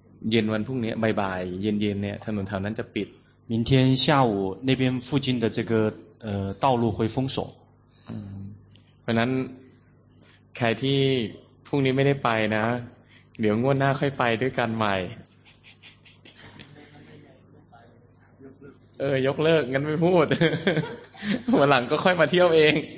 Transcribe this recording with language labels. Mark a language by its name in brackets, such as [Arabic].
[Thai] เย็นวันพรุ่งนี้บ่ายๆเย็นๆเนี่ยถนนแถวนั้นจะปิด [Chinese] 明天下午那边附近的这个道路会封锁 [Thai] เพราะนั้นใครที่พรุ่งนี้ไม่ได้ไปนะเดี๋ยวงวดหน้าค่อยไปด้วยกันใหม่ยกเลิกงั้นไม่พูดวันหลังก็ค่อยมาเที่ยวเอง